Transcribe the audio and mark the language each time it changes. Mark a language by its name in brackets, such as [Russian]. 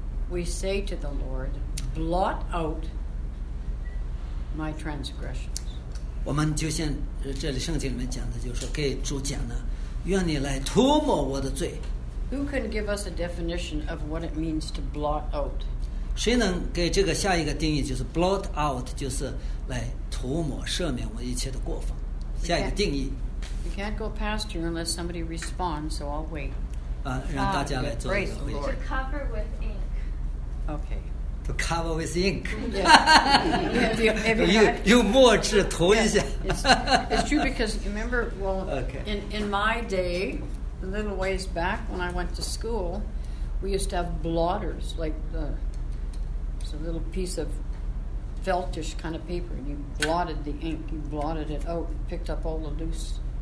[English] We say to the Lord, "Blot out my transgressions." [Chinese] 我们就像这里圣经里面讲的，就是说给主讲呢，愿你来涂抹我的罪。 [English] Who can give us a definition of what it means to blot out? [Chinese] 谁能给这个下一个定义？就是 blot out， 就是来涂抹、赦免我一切的过犯。下一个定义。 [English] You can't go past you unless somebody responds, so I'll wait. [Chinese] 让大家来做一个回答。 [English] To cover with ink. Okay. To cover with ink. Yeah. [Chinese] you 墨汁涂一下 [English] It's true because remember, well,、okay. in my day, a little ways back when I went to school, we used to have blotters, like it's a little piece of feltish kind of paper, and you blotted the ink, you blotted it out, and picked up all the loose.